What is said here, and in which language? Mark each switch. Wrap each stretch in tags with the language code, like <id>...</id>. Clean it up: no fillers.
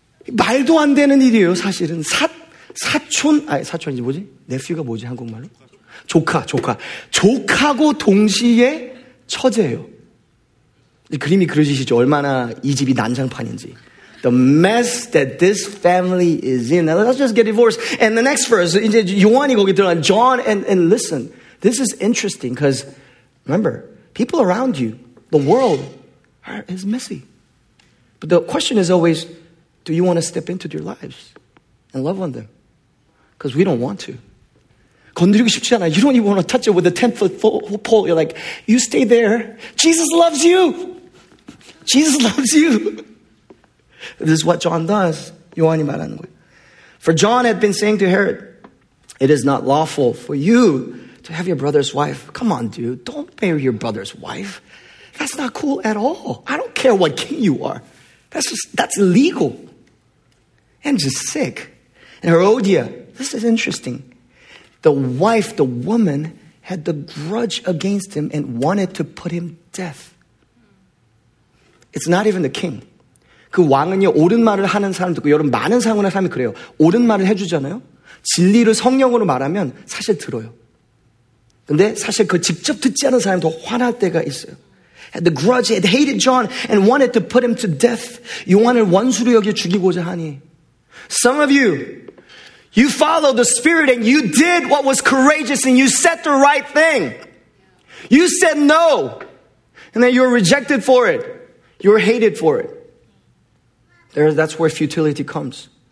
<ko>말도 안 되는 일이에요, 사실은. 사촌, 아니 사촌이지 뭐지? 네피가 뭐지 한국말로? 조카. 조카고 동시에 처제예요. 그림이 그려지시죠? 얼마나 이 집이 난장판인지.</ko> <en>The mess that this family is in. Now let's just get divorced. And the next verse,</en> <ko>이제 요한이 거기 들어간</ko> <en>John, and listen, this is interesting because remember, people around you, the world is messy. But the question is always, do you want to step into their lives and love on them? Because we don't want to.</en> <ko>건드리고 싶지 않아.</ko> <en>You don't even want to touch it with a 10-foot pole. You're like, you stay there. Jesus loves you. Jesus loves you. This is what John does.</en> <ko>요한이 말하는 거예요.</ko> <en>For John had been saying to Herod, it is not lawful for you to have your brother's wife. Come on, dude. Don't marry your brother's wife. That's not cool at all. I don't care what king you are. That's illegal. And just sick. And Herodia, this is interesting. The wife, the woman, had the grudge against him and wanted to put him to death. It's not even the king.</en> <ko>그 왕은요, 옳은 말을 하는 사람도 있고, 여러분, 많은 상황의 사람이 그래요. 옳은 말을 해주잖아요? 진리를 성령으로 말하면 사실 들어요. 근데 사실 그 직접 듣지 않은 사람도 화날 때가 있어요.</ko> <en>Had the grudge, had hated John and wanted to put him to death.</en> <ko>요한을 원수로 여겨 죽이고자 하니.</ko> <en>Some of you, you followed the Spirit and you did what was courageous and you said the right thing. You said no. And then you were rejected for it. You were hated for it. That's where futility comes.</en>